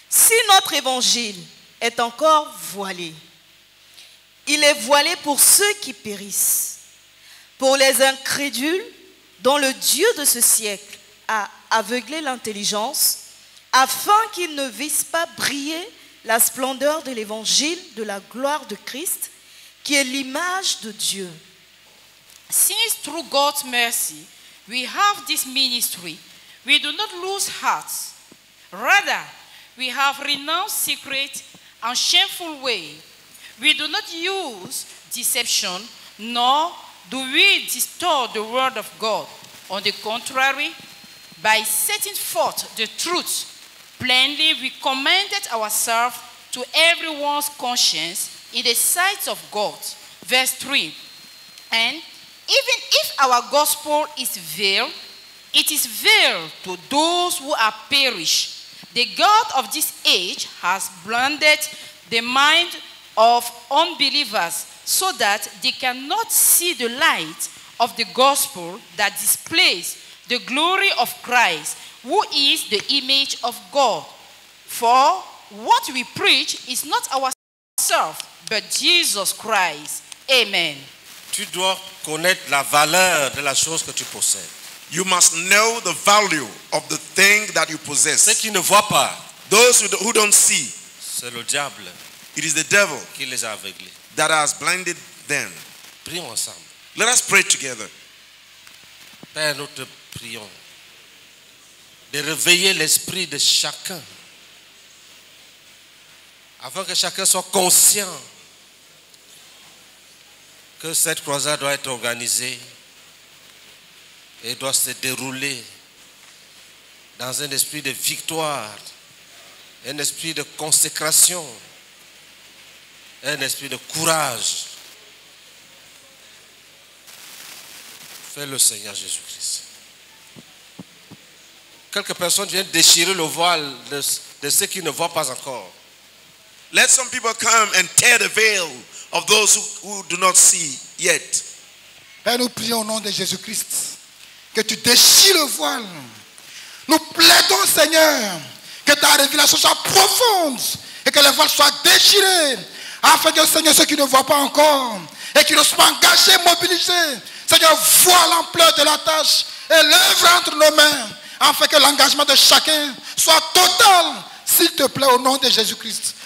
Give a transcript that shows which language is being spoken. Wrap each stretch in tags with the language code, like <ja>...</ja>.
<fr>Si notre évangile est encore voilé, il est voilé pour ceux qui périssent, pour les incrédules dont le Dieu de ce siècle a aveuglé l'intelligence, afin qu'ils ne vissent pas briller la splendeur de l'évangile de la gloire de Christ, qui est l'image de Dieu.</fr> <en>Since through God's mercy, we have this ministry, we do not lose heart. Rather, we have renounced secret and shameful way. We do not use deception, nor do we distort the word of God. On the contrary, by setting forth the truth, plainly we commended ourselves to everyone's conscience in the sight of God. Verse 3. And even if our gospel is veiled, it is veiled to those who are perished. The God of this age has blinded the mind of unbelievers so that they cannot see the light of the gospel that displays the glory of Christ, who is the image of God. For what we preach is not ourselves, but Jesus Christ. Amen.</en> <fr>Tu dois connaître la valeur de la chose que tu possèdes.</fr> <en>You must know the value of the thing that you possess.</en> <fr>Ceux qui ne voient pas,</fr> <en>those who don't see,</en> <fr>c'est le diable.</fr> <en>It is the devil</en> <fr>qui les a aveuglés,</fr> <en>that has blinded them.</en> <fr>Prions ensemble.</fr> <en>Let us pray together.</en> <fr>Père, nous te prions de réveiller l'esprit de chacun afin que chacun soit conscient que cette croisade doit être organisée et doit se dérouler dans un esprit de victoire, un esprit de consécration, un esprit de courage. Fais-le, Seigneur Jésus-Christ. Quelques personnes viennent déchirer le voile de ceux qui ne voient pas encore.</fr> <en>Let some people come and tear the veil of those who do not see yet.</en> <fr>Père, nous prions au nom de Jésus-Christ que tu déchires le voile. Nous plaidons, Seigneur, que ta révélation soit profonde et que le voile soit déchiré afin que, Seigneur, ceux qui ne voient pas encore et qui ne sont pas engagés, mobilisés, Seigneur, voient l'ampleur de la tâche et l'œuvre entre nos mains afin que l'engagement de chacun soit total, s'il te plaît, au nom de Jésus-Christ.</fr>